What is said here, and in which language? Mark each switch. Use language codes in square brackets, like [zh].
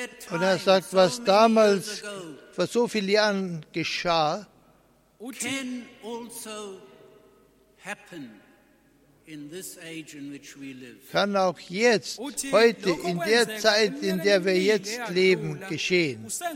[de] Und er sagt, was damals, vor so vielen Jahren geschah, [en] can also happen in this age in which we live. [de] Kann auch jetzt, heute, in der Zeit, in der wir jetzt leben, geschehen.